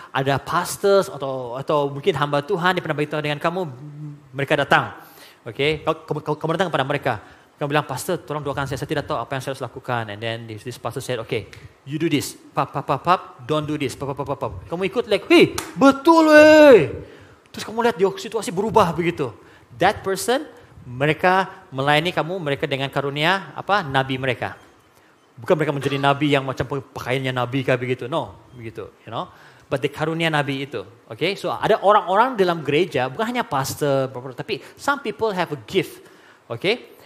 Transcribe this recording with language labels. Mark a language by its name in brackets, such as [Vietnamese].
[Malay] Ada pastors atau mungkin hamba Tuhan yang pernah beritahu dengan kamu, mereka datang, okay? Kamu datang kepada mereka. Kamu bilang, pastor, tolong doakan saya. Saya tidak tahu apa yang saya harus lakukan. [English] And then this pastor said, okay, you do this. Pap, don't do this. Pap. [Malay] Kamu ikut, [English] like, hey, [Malay] betul, wey. Terus kamu lihat, dia situasi berubah begitu. [English] That person, [Malay] mereka melayani kamu, mereka dengan karunia, apa, nabi mereka. Bukan mereka menjadi nabi yang macam pakaiannya nabi kah begitu. No, begitu, you know. But the karunia nabi itu, okay. So, ada orang-orang dalam gereja, bukan hanya pastor, tapi [English] some people have a gift, [Malay] okay.